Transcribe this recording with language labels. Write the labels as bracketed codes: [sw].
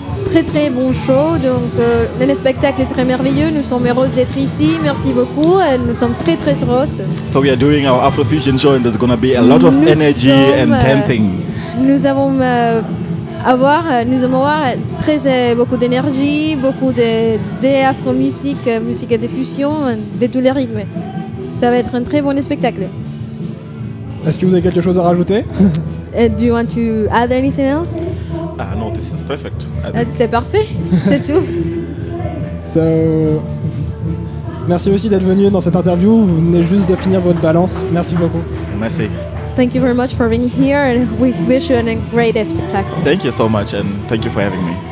[fr] Très très bon show, donc le spectacle est très merveilleux. Nous sommes heureux d'être ici. Merci beaucoup. Et nous sommes très très heureux. [en] So we are doing our Afrofusion show, and there's gonna be a lot of [fr] nous [en] energy [fr] sommes, [en] and dancing. [fr] Nous allons avoir très beaucoup d'énergie, beaucoup de Afro musique, musique à diffusion, de tous les rythmes. Ça va être un très bon spectacle. Est-ce que vous avez quelque chose à rajouter? [en] Do you want to add anything else? No, this is perfect. [fr] C'est parfait, c'est tout. So, merci aussi d'être venu dans cette interview. Vous venez juste de finir votre balance. Merci beaucoup. Merci. [en] Thank you very much for being here, and we wish you a great spectacle. Thank you so much, and thank you for having me.